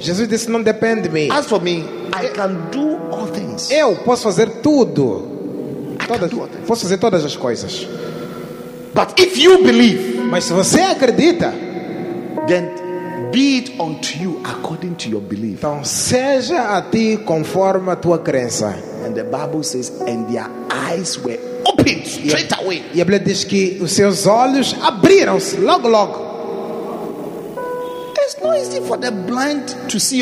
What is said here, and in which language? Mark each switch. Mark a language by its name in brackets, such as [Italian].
[Portuguese] Jesus disse, não depende de mim. [English] As for me, I can do all things. [Portuguese] Eu posso fazer tudo. [English] I can do all things. [Portuguese] Posso fazer todas as coisas. [English] But if you believe, [Portuguese] mas se você acredita, [English] then be it unto you according to your belief. [Portuguese] Então seja a ti conforme a tua crença. [English] And the Bible says, and their eyes were opened straight away. [Portuguese] E a Bíblia diz que os seus olhos abriram-se logo, logo. [English] It's not easy for the blind to see.